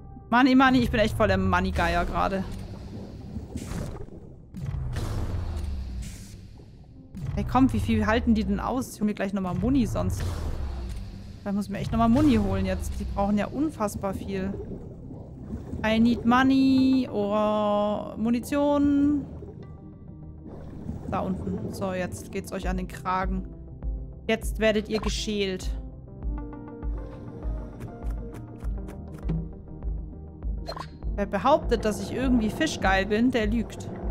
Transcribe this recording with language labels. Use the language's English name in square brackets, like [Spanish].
[German] Money, Money, ich bin echt voll der Money-Geier gerade. Hey, komm, wie viel halten die denn aus? Ich hole mir gleich nochmal Muni sonst. Ich muss mir echt nochmal Muni holen jetzt. Die brauchen ja unfassbar viel. [English] I need money or Munition. [German] Da unten. So, jetzt geht's euch an den Kragen. Jetzt werdet ihr geschält. Wer behauptet, dass ich irgendwie fischgeil bin, der lügt.